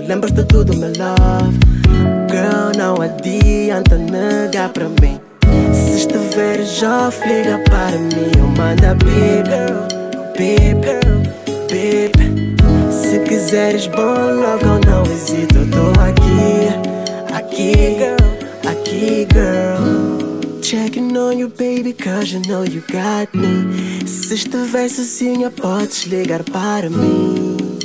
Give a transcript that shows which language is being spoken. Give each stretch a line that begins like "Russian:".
Portuguese: Lembras de tudo,
English: my love? Girl,
Portuguese: não adianta negar pra mim. Se estiveres já, liga para mim. Eu mando a beep, beep, beep. Se quiseres bom logo, eu não hesito. Eu tô aqui, aqui, aqui, girl.
English: Checking on you, baby, cause you know you got me.
Portuguese: Se estiver sozinha, podes ligar para mim.